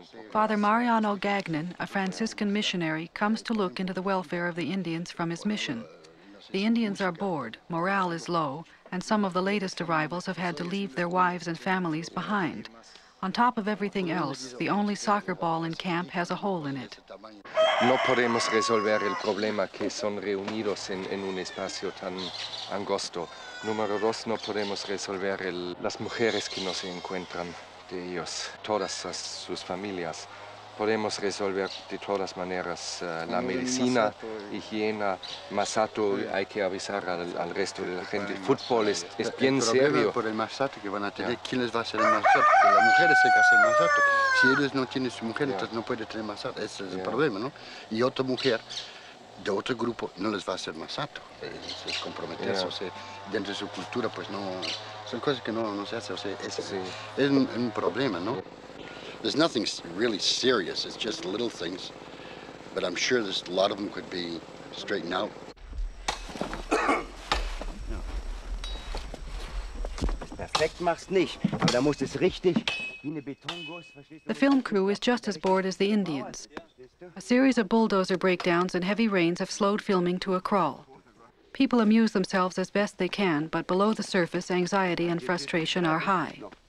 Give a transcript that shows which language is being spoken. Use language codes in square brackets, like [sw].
[en] Father Mariano Gagnon, a Franciscan missionary, comes to look into the welfare of the Indians from his mission. The Indians are bored, morale is low, and some of the latest arrivals have had to leave their wives and families behind. On top of everything else, the only soccer ball in camp has a hole in it. [es] No podemos resolver el problema que son reunidos en un espacio tan angosto. Número dos, no podemos resolver las mujeres que no se encuentran de ellos, todas sus familias. Podemos resolver de todas maneras la medicina, higiene, masato, hay que avisar al resto de la gente. Fútbol es bien serio. Por el masato que van a tener, ¿quién les va a hacer el masato? Porque las mujeres se casan el masato. Si ellos no tienen su mujer, entonces no puede tener masato. Ese es el problema, ¿no? Y otra mujer de otro grupo no les va a hacer masato. Es comprometerse, o sea, dentro de su cultura, pues no. Son cosas que no se hacen, o sea, es un problema, ¿no? [en] There's nothing really serious, it's just little things. But I'm sure there's a lot of them could be straightened out. [de] Perfekt machst nicht, aber da musst es richtig wie eine Betonguss. [en] The film crew is just as bored as the Indians. A series of bulldozer breakdowns and heavy rains have slowed filming to a crawl. People amuse themselves as best they can, but below the surface, anxiety and frustration are high.